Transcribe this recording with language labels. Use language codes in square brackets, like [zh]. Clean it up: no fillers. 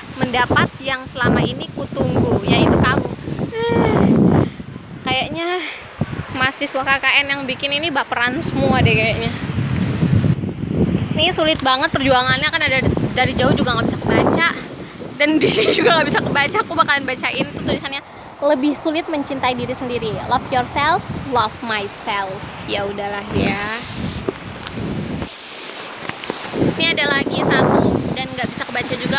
[id] Mendapat yang selama ini kutunggu, yaitu kamu. Kayaknya mahasiswa KKN yang bikin ini baperan semua deh kayaknya. Ini sulit banget perjuangannya, kan ada dari jauh juga nggak bisa kebaca, dan di sini juga nggak bisa kebaca. Aku bakalan bacain itu tulisannya. Lebih sulit mencintai diri sendiri. [en] Love yourself, love myself. [id] Ya udahlah ya. Ini ada lagi satu dan nggak bisa kebaca juga.